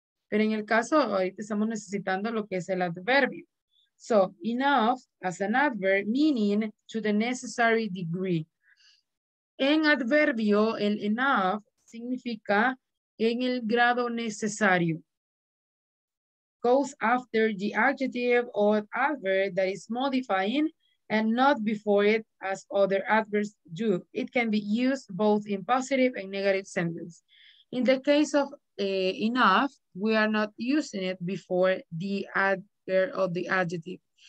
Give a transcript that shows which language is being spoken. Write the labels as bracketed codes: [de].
[es] Pero en el caso, ahorita estamos necesitando lo que es el adverbio. [en] So, enough as an adverb, meaning to the necessary degree. [es] En adverbio, el enough significa en el grado necesario. [en] Goes after the adjective or adverb that is modifying and not before it as other adverbs do. It can be used both in positive and negative sentence. In the case of enough, we are not using it before the adverb or the adjective.